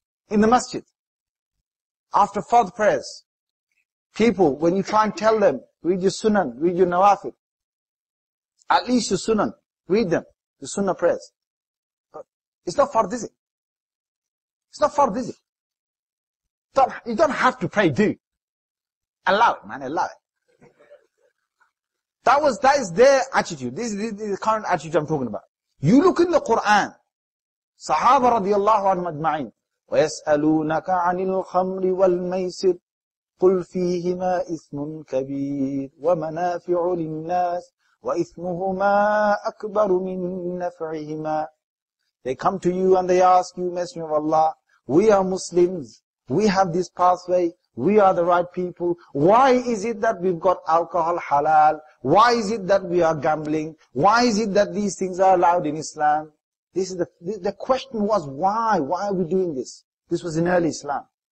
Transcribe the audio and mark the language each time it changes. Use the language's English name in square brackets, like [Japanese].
[English] In the masjid, after fard prayers, people, when you try and tell them, read your sunan, read your nawafil, at least your sunan, read them, the sunnah prayers. But it's not fard, is it? It's not fard, is it? You don't have to pray, do you? Allow it, man, allow it. That is their attitude. This is the current attitude I'm talking about. You look in the Quran, Sahaba radiallahu anhu ajma'in, [Arabic] وَيَسْأَلُونَكَ عَنِ الْخَمْرِ وَالْمَيْسِرِ قُلْ فِيهِمَا إِثْمٌ كَبِيرٌ وَمَنَافِعُ لِلنَّاسِ وَإِثْمُهُمَا أَكْبَرُ مِنْ نَفْعِهِمَا. [English] They come to you and they ask you, Messenger of Allah, we are Muslims, we have this pathway, we are the right people, why is it that we've got alcohol halal, why is it that we are gambling, why is it that these things are allowed in Islam? The question was, why are we doing this? This was in early Islam.